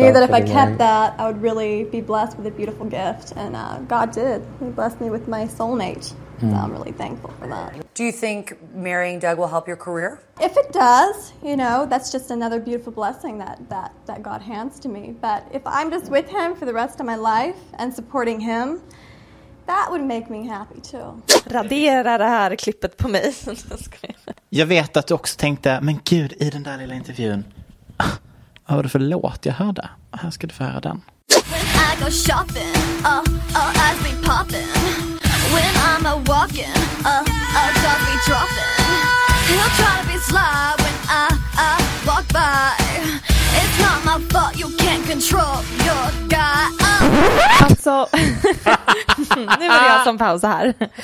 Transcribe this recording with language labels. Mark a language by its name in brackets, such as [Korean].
[English] I knew that if I kept that, I would really be blessed with a beautiful gift. And God did. He blessed me with my soulmate. Mm. So I'm really thankful for that. Do you think marrying Doug will help your career? If it does, you know, that's just another beautiful blessing that God hands to me. But if I'm just with him for the rest of my life and supporting him, that would make me happy too. [Swedish] Radera det här klippet på mig. Jag vet att du också tänkte, men gud, i den där lilla intervjun. Vad var det för låt jag hörde? Här ska du få höra den. [English] When I go shopping, eyes be popping. When I'm a walking, dog be dropping. He'll try to be sly when I walk by. It's not my fault you can't control your guy. [Swedish] Alltså, nu var det jag som paus här.